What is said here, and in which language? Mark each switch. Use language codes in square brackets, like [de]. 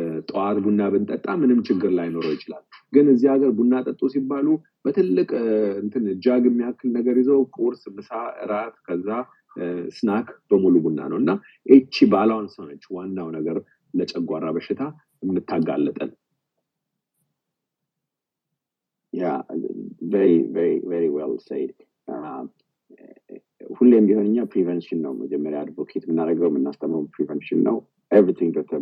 [am] ጧት ቡና ብንጠጣ ምንም ችግር ላይኖር ይችላል። ግን እዚህ ሀገር ቡና ጠጡ ሲባሉ በትልቅ እንትን ጃግ የሚያክል ነገር ይዘው ቁርስ፣ ምሳ፣ እራት ከዛ ስናክ በሙሉ ቡና ነውና እቺ ባላንስ ነች ዋናው ነገር ለጨጓራ በሽታ እንታጋለጠን። [en] Yeah, very, very, very well said. [am] ሁሌም ቢሆንኛ prevention ነው መጀመሪያ አድቮኬት ምናደርገው ምናስተምረው prevention ነው። Everything Dr.